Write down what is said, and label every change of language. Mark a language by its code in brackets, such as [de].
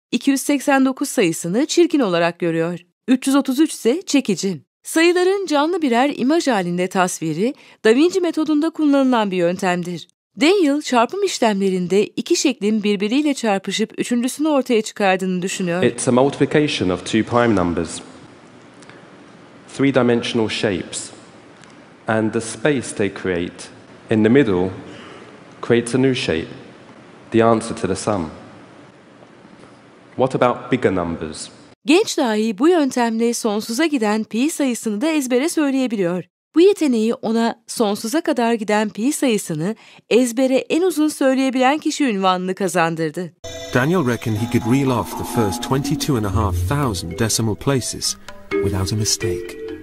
[tr] 289 sayısını çirkin olarak görüyor. 333 ise çekici. Sayıların canlı birer imaj halinde tasviri, Da Vinci metodunda kullanılan bir yöntemdir. Daniel, çarpım işlemlerinde iki şeklin birbiriyle çarpışıp üçüncüsünü ortaya çıkardığını düşünüyor. [en] It's a multiplication of two prime numbers. Three-dimensional shapes and the space they create in the middle creates a new shape, the answer to the sum. What about bigger numbers? [tr] Genç dahi bu yöntemle sonsuza giden pi sayısını da ezbere söyleyebiliyor. Bu yeteneği ona sonsuza kadar giden pi sayısını ezbere en uzun söyleyebilen kişi unvanını kazandırdı. [en] Daniel reckoned he could reel off the first 22,500 decimal places without a mistake.